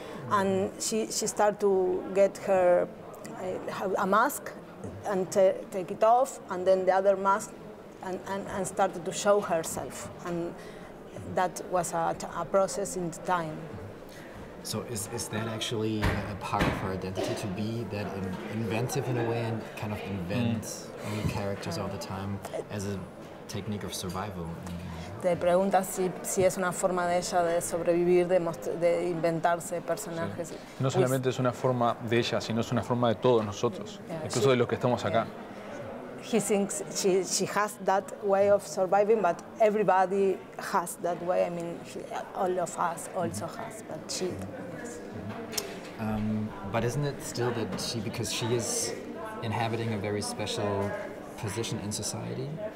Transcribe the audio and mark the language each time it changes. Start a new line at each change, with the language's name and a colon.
English: And she started to get her a mask and take it off, and then the other mask, and started to show herself. And that was a process in the time. So is that actually a part of her identity, to be that inventive in a way and kind of invent new characters all the time as a technique of survival?
Spanish: Te preguntas si es una forma de ella de sobrevivir, de inventarse personajes. Sí. No solamente es una forma de ella, sino es una forma de todos nosotros, incluso de los que estamos acá.
English: He thinks she has that way of surviving, but everybody has that way. I mean, all of us also has, but she. But isn't it still that she, because she is inhabiting a very special position in society?